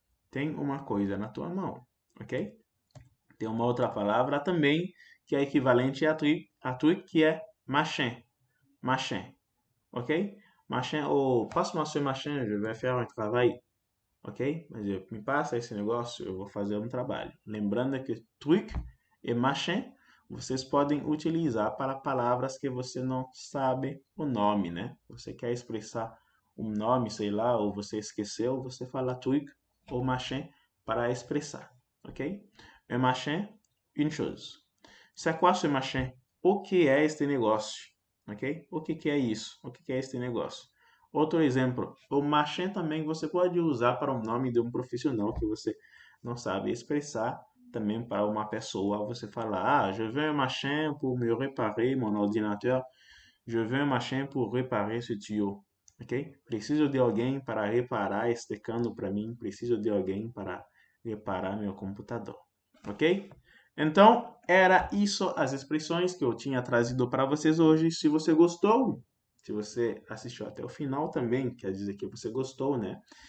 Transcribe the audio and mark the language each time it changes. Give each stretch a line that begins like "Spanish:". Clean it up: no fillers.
Portuguese: Tem uma coisa na tua mão, ok? Tem uma outra palavra também que é equivalente a truc, que é machin. Machin, ok?
French: Machin, ou passe-moi ce machin, je vais faire un travail. Ok?
Portuguese: Mas me passa esse negócio, eu vou fazer um trabalho. Lembrando que truc e machin vocês podem utilizar para palavras que você não sabe o nome, né? Você quer expressar um nome, sei lá, ou você esqueceu, você fala truc ou machin para expressar.
French: Ok? Un machin, une chose. C'est quoi ce machin?
Portuguese: O que é este negócio? Ok? O que que é isso? O que que é este negócio? Outro exemplo, o machin também você pode usar para o nome de um profissional que você não sabe expressar. Também para uma pessoa, você fala, ah,
French: je veux un machin pour me réparer mon ordinateur. Je veux un machin pour réparer ce tuyau. Ok?
Portuguese: Preciso de alguém para reparar este cano para mim. Preciso de alguém para reparar meu computador. Ok? Então, era isso as expressões que eu tinha trazido para vocês hoje. Se você gostou, se você assistiu até o final também, quer dizer que você gostou, né?